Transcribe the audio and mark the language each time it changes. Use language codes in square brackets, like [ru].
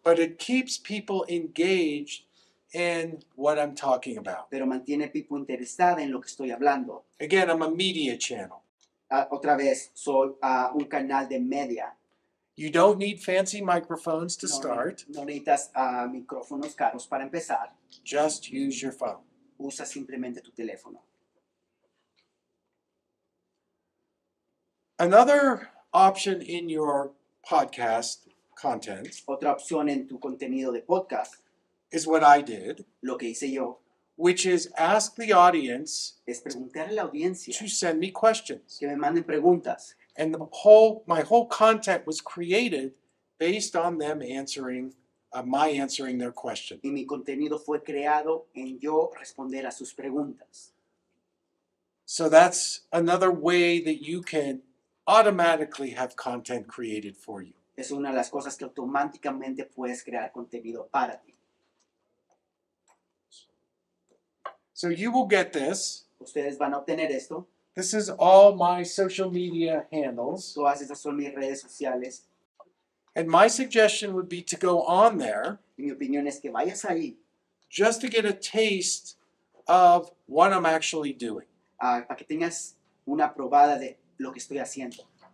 [en] But it keeps people engaged in what I'm talking about. [es] Pero mantiene [en] people [es] interesada en lo que estoy hablando. [en] Again, I'm a media channel. [es] Otra vez, soy un canal de media. [en] You don't need fancy microphones to start. [es] No necesitas micrófonos caros para empezar. [en] Just use your phone. [es] Usa simplemente tu teléfono. [en] Another option in your podcast content. [es] Otra opción en tu contenido de podcast. [en] Is what I did. [es] Lo que hice yo. [en] Which is ask the audience. [es] Es preguntar a la audiencia. [en] To send me questions. [es] Que me manden preguntas. [en] And my whole content was created based on them answering, my answering their question. [es] Y mi contenido fue creado en yo responder a sus preguntas. [en] So that's another way that you can automatically have content created for you. [es] Es una de las cosas que automáticamente puedes crear contenido para ti. [en] So you will get this. [es] Ustedes van a obtener esto. [en] This is all my social media handles. [es] Todas esas son mis redes sociales. [en] And my suggestion would be to go on there. [es] Y mi opinión es que vayas ahí. [en] Just to get a taste of what I'm actually doing. [es] Para que tengas una probada de lo que estoy haciendo.